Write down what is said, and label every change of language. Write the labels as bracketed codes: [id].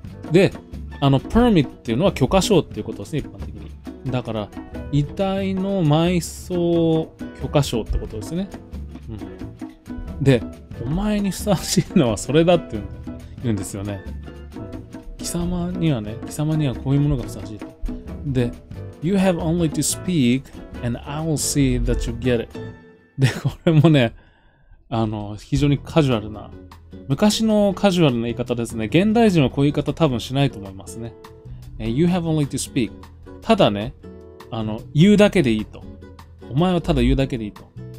[ja] で、あの、permit っていうのは許可証っていうことですね、一般的に。だから、遺体の埋葬許可証ってことですね。うん。で、お前にふさわしいのはそれだって言うんですよね。貴様にはね、貴様にはこういうものがふさわしいと。 [en] で、You have only to speak and I will see that you get it. [ja] で、これもね、あの、非常にカジュアルな。昔のカジュアルな言い方ですね。現代人はこういう言い方多分しないと思いますね。 [en] You have only to speak. [ja] ただね、あの、言うだけでいいと。お前はただ言うだけでいいと。